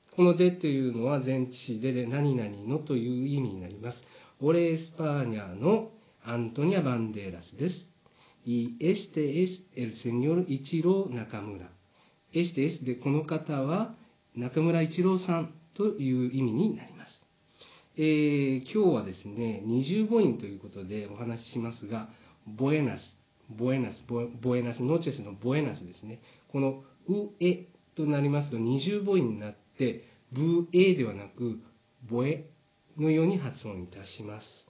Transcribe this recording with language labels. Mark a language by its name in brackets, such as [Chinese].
[Japanese] このでというのは前置詞で、何々のという意味になります。オレ・エスパーニャのアントニア・バンデラスです。 [Spanish] Y este es el señor Ichiro Nakamura. Este es [Japanese] で、この方は中村一郎さんという意味になります。今日はですね、二重母音ということでお話ししますが、ボエナス、ボエナス、ボエナス、ノチェスのボエナスですね。このウエとなりますと二重母音になって、でブエではなくボエのように発音いたします。